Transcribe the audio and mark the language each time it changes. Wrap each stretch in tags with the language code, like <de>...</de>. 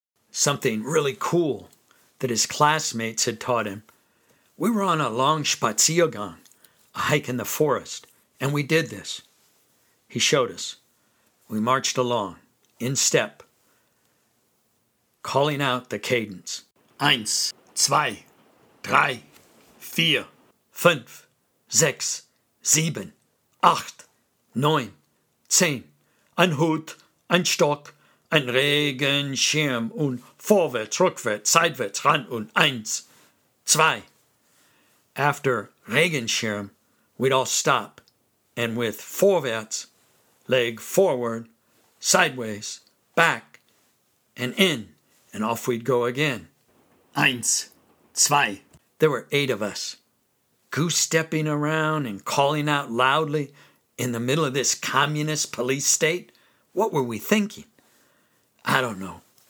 <en>Something really cool that his classmates had taught him. We were on a long Spaziergang, a hike in the forest, and we did this. He showed us. We marched along, in step, calling out the cadence.</en> <de>Eins, zwei, drei, vier, fünf, sechs, sieben, acht, neun, zehn, ein Hut, ein Stock, ein Regenschirm und vorwärts, rückwärts, seitwärts, ran und eins, zwei.</de> <en>After Regenschirm, we'd all stop, and with vorwärts, leg forward, sideways, back, and in, and off we'd go again.</en> <de>Eins, zwei.</de> <en>There were eight of us, goose-stepping around and calling out loudly in the middle of this communist police state. What were we thinking? I don't know.</en>